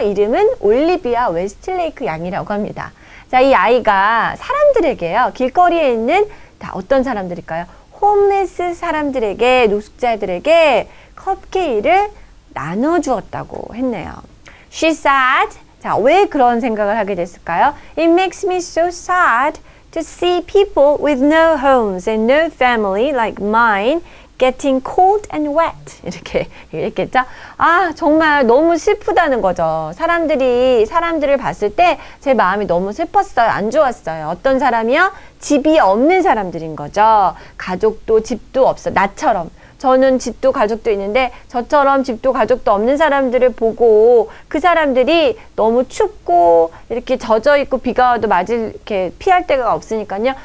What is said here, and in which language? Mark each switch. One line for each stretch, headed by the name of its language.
Korean: 이름은 올리비아 웨스트레이크 양이라고 합니다. 자, 이 아이가 사람들에게요. 길거리에 있는 다 어떤 사람들일까요? 홈리스 사람들에게, 노숙자들에게 컵케이크를 나눠주었다고 했네요.
English: She said,
Korean: 자, 왜 그런 생각을 하게 됐을까요?
English: It makes me so sad to see people with no homes and no family like mine getting cold and wet.
Korean: 이렇게 얘기했죠. 아, 정말 너무 슬프다는 거죠. 사람들을 봤을 때 제 마음이 너무 슬펐어요. 안 좋았어요. 어떤 사람이요? 집이 없는 사람들인 거죠. 가족도 집도 없어. 나처럼. 저는 집도 가족도 있는데 저처럼 집도 가족도 없는 사람들을 보고 그 사람들이 너무 춥고 이렇게 젖어있고 비가 와도 맞을 이렇게 피할 데가 없으니까요.